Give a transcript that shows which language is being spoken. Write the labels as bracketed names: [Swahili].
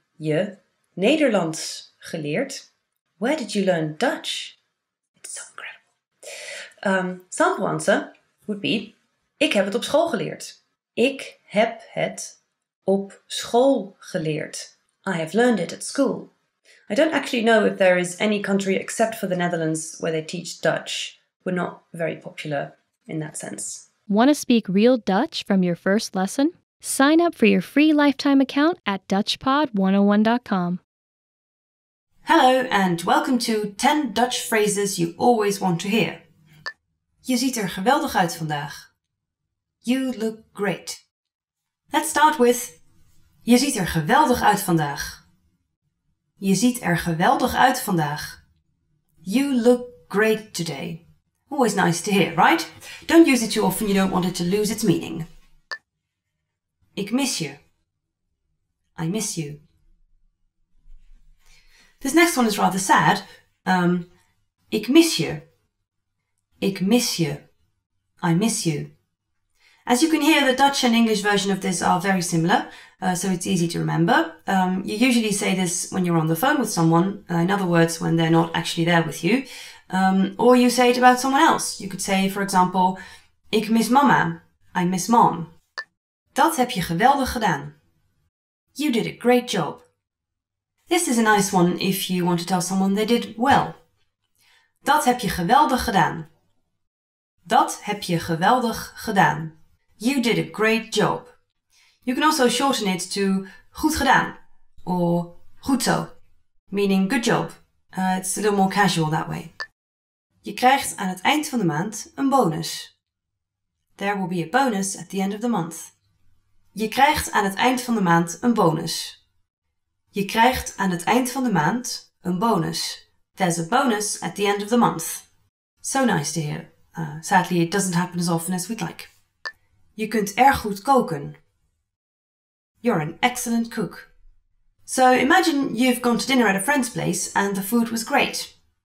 [Dutch] je Nederlands geleerd. [English] Where did you learn Dutch? It's so incredible. Sample answer would be, [Dutch] ik heb het op school geleerd. Ik heb het op school geleerd. [English] I have learned it at school. I don't actually know if there is any country except for the Netherlands where they teach Dutch. We're not very popular in that sense. Want to speak real Dutch from your first lesson? Sign up for your free lifetime account at DutchPod101.com. Hello and welcome to 10 Dutch phrases you always want to hear. [Dutch] Je ziet er geweldig uit vandaag. [English] You look great. Let's start with, [Dutch] je ziet er geweldig uit vandaag. Je ziet er geweldig uit vandaag. [English] You look great today. Always nice to hear, right? Don't use it too often, you don't want it to lose its meaning. [Dutch] Ik mis je. [English] I miss you. This next one is rather sad. [Dutch] Ik mis je. Ik mis je. [English] I miss you. As you can hear, the Dutch and English version of this are very similar, so it's easy to remember. You usually say this when you're on the phone with someone, in other words, when they're not actually there with you. Or you say it about someone else. You could say, for example, [Dutch] ik mis mama. [English] I miss mom. [Dutch] Dat heb je geweldig gedaan. [English] You did a great job. This is a nice one if you want to tell someone they did well. [Dutch] Dat heb je geweldig gedaan. Dat heb je geweldig gedaan. [English] You did a great job. You can also shorten it to [Dutch] goed gedaan [English] or [Dutch] goed zo, [English] meaning good job. It's a little more casual that way. [Dutch] Je krijgt aan het eind van de maand een bonus. [English] There will be a bonus at the end of the month. [Dutch] Je krijgt aan het eind van de maand een bonus. Je krijgt aan het eind van de maand een bonus. [English] There's a bonus at the end of the month. So nice to hear. Sadly, it doesn't happen as often as we'd like. [Dutch] Je kunt erg goed koken. [English] You're an excellent cook. So imagine you've gone to dinner at a friend's place and the food was great.